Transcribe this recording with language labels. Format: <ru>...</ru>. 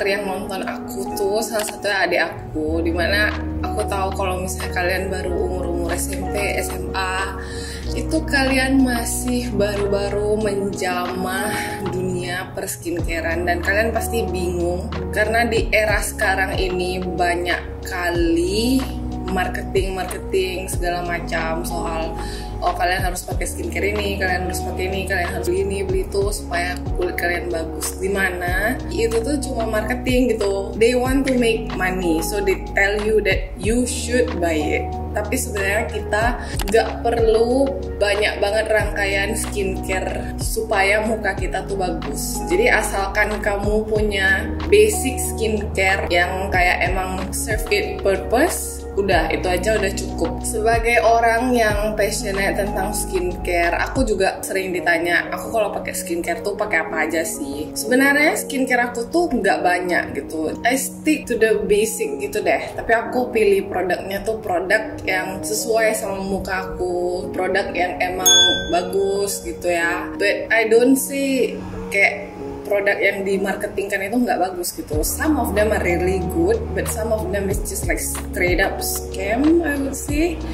<id>Ntar yang nonton aku tuh salah satu adik aku, dimana aku tahu kalau misalnya kalian baru umur-umur SMP, SMA, itu kalian masih baru-baru menjamah dunia perskincarean dan kalian pasti bingung karena di era sekarang ini banyak kali marketing segala macam soal oh kalian harus pakai skincare ini, kalian harus pakai ini, kalian harus beli ini, beli itu supaya kulit kalian bagus. Di mana itu tuh cuma marketing gitu.</id> <en>They want to make money, so they tell you that you should buy it.</en> <id>Tapi sebenarnya kita nggak perlu banyak banget rangkaian skincare supaya muka kita tuh bagus. Jadi asalkan kamu punya basic skincare yang kayak emang</id> <en>serve it purpose,</en> <id>udah, itu aja udah cukup. Sebagai orang yang passionate tentang skincare, aku juga sering ditanya, aku kalau pakai skincare tuh pakai apa aja sih? Sebenarnya skincare aku tuh nggak banyak gitu.</id> <en>I stick to the basic</en> <id>gitu deh. Tapi aku pilih produknya tuh produk yang sesuai sama muka aku, produk yang emang bagus gitu ya.</id> <en>But I don't see</en> <id>kayak produk yang dimarketingkan itu nggak bagus gitu.</id> <en>Some of them are really good, but some of them is just like straight up scam, I would say.</en>